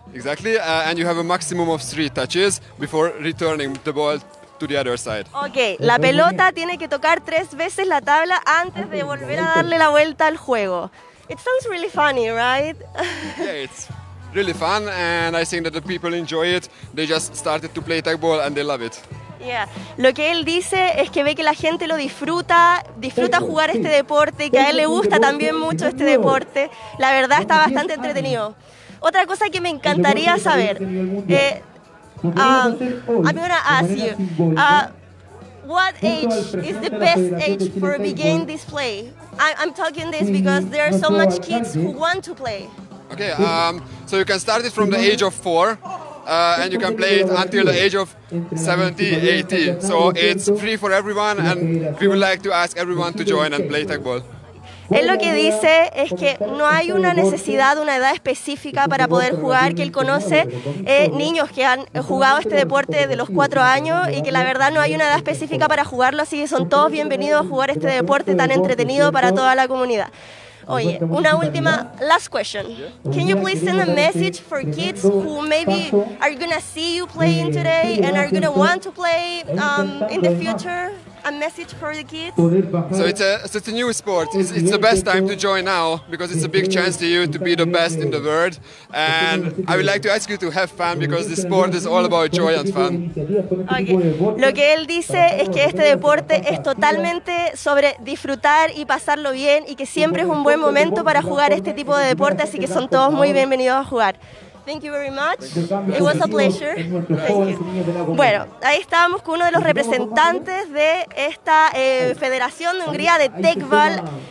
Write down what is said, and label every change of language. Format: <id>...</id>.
<en>Exactly, and you have a maximum of 3 touches before returning the ball to the other side.</en> <es>Okay, la pelota tiene que tocar 3 veces la tabla antes de volver a darle la vuelta al juego.</es> <en>It sounds really funny, right? Yeah, it's really fun, and I think that the people enjoy it. They just started to play tag ball and they love it. Yeah.</en> <es>Lo que él dice es que ve que la gente lo disfruta, disfruta jugar este deporte, que a él le gusta también mucho este deporte. La verdad, está bastante entretenido. Otra cosa que me encantaría saber.</es> <en>I'm gonna ask you. What age is the best age for begin this play? I'm talking this because there are so much kids who want to play. Okay. So you can start it from the age of 4. And you can play it until the age of 70, 80. So it's free for everyone, and we would like to ask everyone to join and play tagball.</en> <es>Él lo que dice es que no hay una necesidad, una edad específica para poder jugar, que él conoce niños que han jugado este deporte de los 4 años y que la verdad no hay una edad específica para jugarlo, así que son todos bienvenidos a jugar este deporte tan entretenido para toda la comunidad. Oye, una última,</es> <en>last question. Can you please send a message for kids who maybe are going to see you playing today and are going to want to play in the future? A message for the kids? So it's a new sport. It's the best time to join now because it's a big chance to you to be the best in the world. And I would like to ask you to have fun because this sport is all about joy and fun. Okay.</en> <es>Lo que él dice es que este deporte es totalmente sobre disfrutar y pasarlo bien y que siempre es un buen momento para jugar este tipo de deporte, así que son todos muy bienvenidos a jugar.</es> <en>Thank you very much. It was a pleasure. Thank you.</en> <es>Bueno, ahí estábamos con uno de los representantes de esta Federación de Hungría de Tagball.</es>